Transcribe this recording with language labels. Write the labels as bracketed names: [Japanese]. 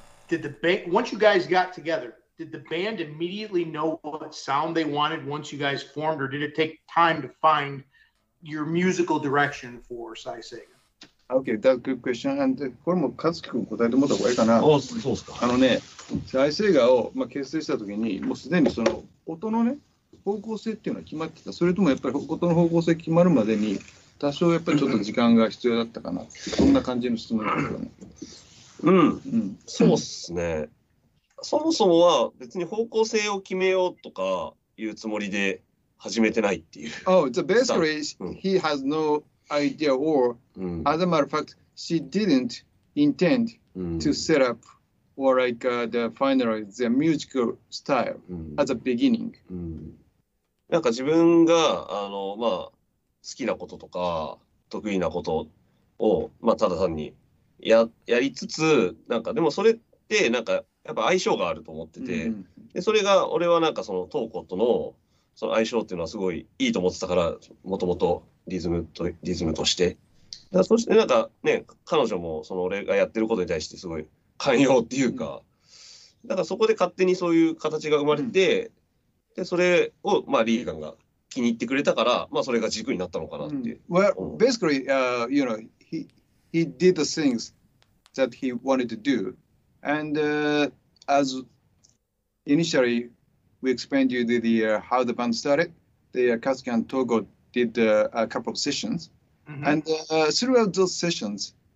[English] Did the bank, once you guys got together,Did the band immediately know what sound they wanted once you guys formed, or did it take time to find your musical direction for Saiseiga? Okay, that's a good question. And [Japanese] これも勝木君答えてもらった方がいいかな。そうですか。あのね、Saiseigaを、まあ、結成した時に、もうすでにその音のね、方向性っていうのは決まってた。それともやっぱり音の方向性決まるまでに、多少やっぱりちょっと時間が必要だったかな。そんな感じの質問ですよね。うん、そうっすね。そもそもは別に方向性を決めようとかいうつもりで始めてないっていう。 [English] Oh, so basically, he has no idea or, as a matter of fact, she didn't intend to set up or like the final, the musical style at the beginning. [Japanese] なんか自分が、まあ、好きなこととか得意なことを、まあ、ただ単に やりつつ、なんかでもそれってなんかやっぱ相性があると思ってて、でそれが俺はなんかそのトーコとのその相性っていうのはすごいいいと思ってたから、もともとリズムとして、だそしてなんかね、彼女もその俺がやってることに対してすごい寛容っていうか、だからそこで勝手にそういう形が生まれて、でそれをまあリーガンが気に入ってくれたから、まあそれが軸になったのかなって。 [English] Well, basically, you know, he did the things that he wanted to do. And as initially we explained you the how the band started, the Katsuki and Togo did a couple of sessions. And throughout those sessions,